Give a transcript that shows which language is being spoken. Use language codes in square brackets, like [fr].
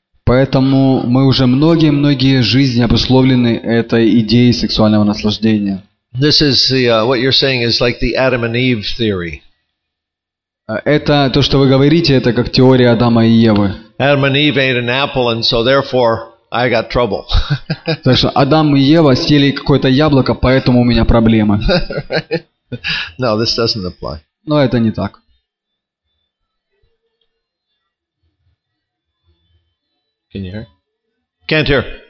[ru] Поэтому мы уже многие-многие жизни обусловлены этой идеей сексуального наслаждения. [en] This is the, what you're saying is like the Adam and Eve theory. [ru] Это то, что вы говорите, это как теория Адама и Евы. [en] Adam and Eve ate an apple, and so therefore I got trouble. [ru] То есть Адам и Ева съели какое-то яблоко, поэтому у меня проблемы. [en] No, this doesn't apply. [ru] Но это не так. [en] Can you hear? Can't hear.